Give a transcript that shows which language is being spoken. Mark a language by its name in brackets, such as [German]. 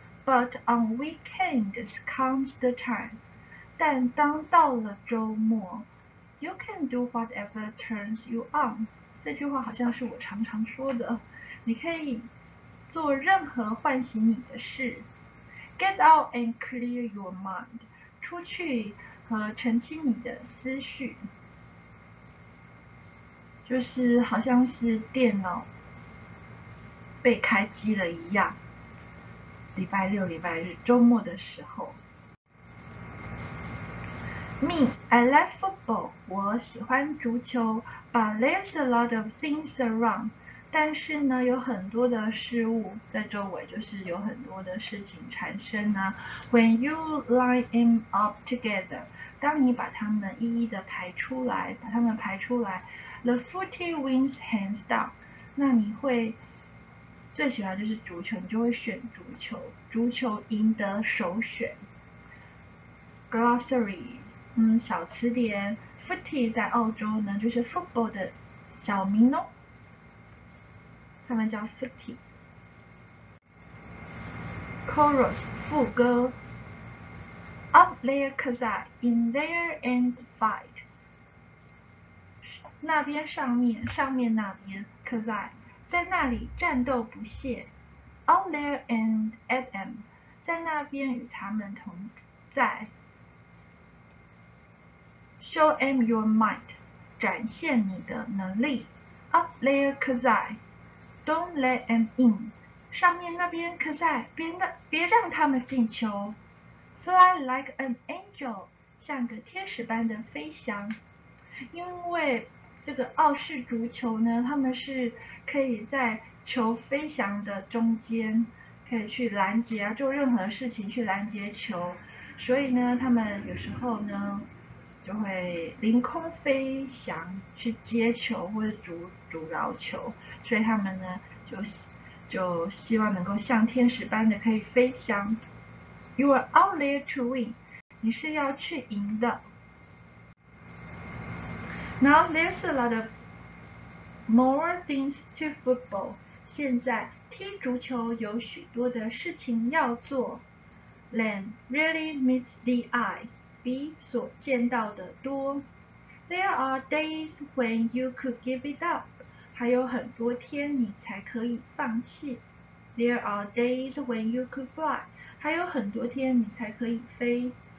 [English] But on weekends comes the time. [Chinese] 但当到了周末， [English] you can do whatever turns you on. [Chinese] 这句话好像是我常常说的，你可以做任何唤醒你的事。 [English] Get out and clear your mind. [Chinese] 出去和澄清你的思绪。就是好像是电脑被开机了一样，礼拜六礼拜日周末的时候。 [English] Me, I like football. [Chinese] 我喜欢足球。 [English] But there's a lot of things around. [Chinese] 但是呢，有很多的事物在周围，就是有很多的事情产生啊。 [English] When you line them up together, [Chinese] 当你把它们一一的排出来，把它们排出来。 [English] The footy wins hands down. [Chinese] 那你会最喜欢就是足球，你就会选足球，足球赢得首选。 Glossary， 小词典。Footy 在澳洲呢，就是 football 的小名哦，他们叫 footy。 Chorus 副歌。 [English] Up there, cause I in there and fight. [Chinese] 那边上面，上面那边 ，Kazai 在那里战斗不懈 ， [English] Out there and at them， [Chinese] 在那边与他们同在。 [English] Show them your might， [Chinese] 展现你的能力。 [English] Up there, Kazai， don't let them in， [Chinese] 上面那边 Kazai， 别让他们进球。 [English] Fly like an angel， [Chinese] 像个天使般的飞翔。因为这个澳式足球呢，他们是可以在球飞翔的中间，可以去拦截啊，做任何事情去拦截球，所以呢，他们有时候呢就会凌空飞翔去接球或者阻挠球，所以他们呢就希望能够像天使般的可以飞翔。 [English] You are out there to win， [Chinese] 你是要去赢的。 [English] Now there's a lot of more things to football。 [Chinese] 现在踢足球有许多的事情要做。 [English] Than really meets the eye， [Chinese] 比所见到的多。 [English] There are days when you could give it up， [Chinese] 还有很多天你才可以放弃。 [English] There are days when you could fly， [Chinese] 还有很多天你才可以飞。